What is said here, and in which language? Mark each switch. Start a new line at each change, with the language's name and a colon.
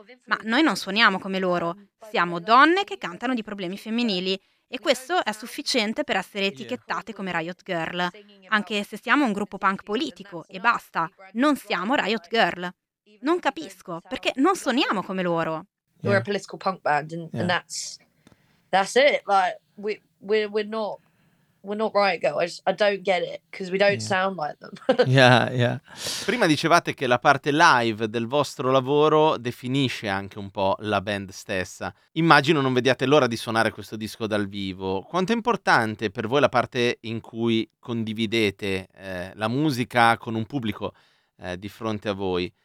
Italian: Ma noi non suoniamo come loro. Siamo donne che cantano di problemi femminili. E questo è sufficiente per essere etichettate come Riot Girl. Anche se siamo un gruppo punk politico, e basta. Non siamo Riot Girl. Non capisco, perché non suoniamo come loro.
English: We're a political punk band, and that's it. Like, we're not... We're not Riot Girl. I don't get it because we don't sound like them. yeah.
Italian: Prima dicevate che la parte live del vostro lavoro definisce anche un po' la band stessa. Immagino non vediate l'ora di suonare questo disco dal vivo. Quanto è importante per voi la parte in cui condividete la musica con un pubblico di fronte a voi?